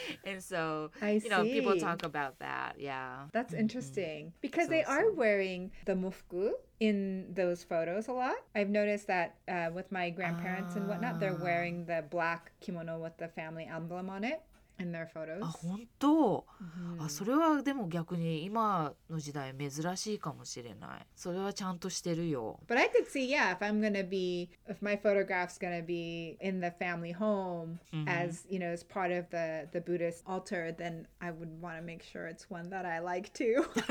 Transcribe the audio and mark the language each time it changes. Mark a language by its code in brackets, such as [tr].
[en] And so, people talk about that. Yeah. That's mm-hmm. interesting. Because they are wearing the mufuku in those photos a lot. I've noticed that with my grandparents and whatnot, they're wearing the black kimono with the family emblem on it in their photos. [ja] あ、本当。あ、それはでも逆に今の時代珍しいかもしれない。それはちゃんとしてるよ。 [en] But I could see, yeah, if my photograph's gonna be in the family home as, you know, as part of the Buddhist altar, then I would want to make sure it's one that I like too.